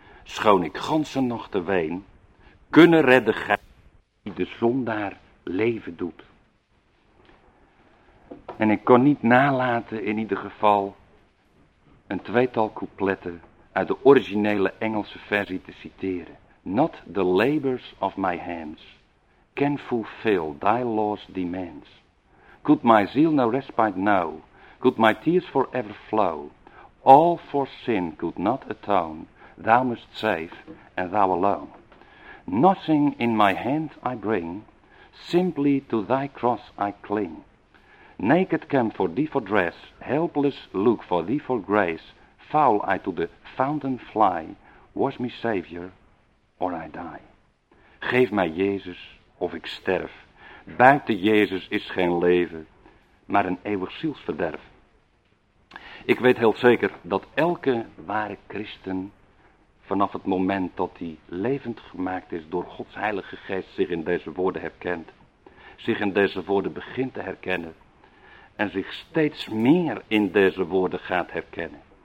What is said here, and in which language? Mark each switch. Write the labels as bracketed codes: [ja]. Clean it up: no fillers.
[nl] Schoon ik ganse nachten ween, kunnen redden gij die de zondaar leven doet. En ik kon niet nalaten in ieder geval een tweetal coupletten uit de originele Engelse versie te citeren. [en] Not the labors of my hands can fulfill thy law's demands. Could my zeal no respite know, could my tears forever flow, all for sin could not atone, thou must save, and thou alone. Nothing in my hand I bring, simply to thy cross I cling. Naked camp for thee for dress, helpless look for thee for grace, foul I to the fountain fly, wash me Savior, or I die. [nl] Geef mij Jezus, of ik sterf. Buiten Jezus is geen leven, maar een eeuwig zielsverderf. Ik weet heel zeker dat elke ware christen, vanaf het moment dat hij levend gemaakt is door Gods Heilige Geest, zich in deze woorden herkent, zich in deze woorden begint te herkennen en zich steeds meer in deze woorden gaat herkennen.